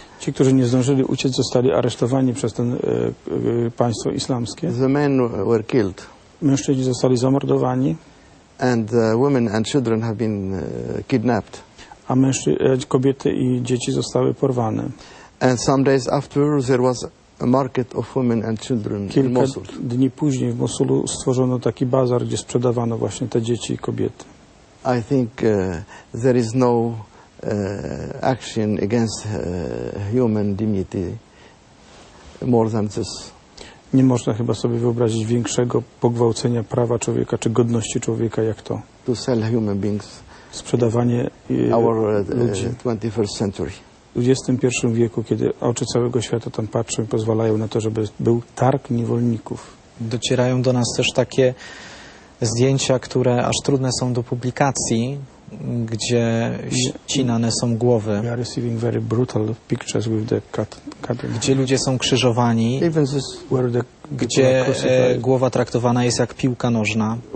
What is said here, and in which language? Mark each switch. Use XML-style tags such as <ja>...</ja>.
<pl>Ci, którzy nie zdążyli uciec, zostali aresztowani przez ten państwo islamskie.</pl> <en>The men were killed.</en> <pl>Mężczyźni zostali zamordowani.</pl> <en>And women and children have been kidnapped.</en> <pl>A kobiety i dzieci zostały porwane.</pl> <en>And some days after there was a market of women and children in Mosul.</en> <pl>Kilka dni później w Mosulu stworzono taki bazar, gdzie sprzedawano właśnie te dzieci i kobiety.</pl> <en>I think there is no action against human dignity more than this.</en> <pl>Nie można chyba sobie wyobrazić większego pogwałcenia prawa człowieka czy godności człowieka jak to.</pl> <en>To sell human beings.</en> <pl>Sprzedawanie</pl> <en>our 21st century.</en> <pl>w XXI wieku, kiedy oczy całego świata tam patrzą i pozwalają na to, żeby był targ niewolników. Docierają do nas też takie zdjęcia, które aż trudne są do publikacji, gdzie ścinane są głowy.</pl> <en>We are receiving very brutal pictures with the cut.</en> <pl>Gdzie ludzie są krzyżowani, gdzie głowa traktowana jest jak piłka nożna,</pl>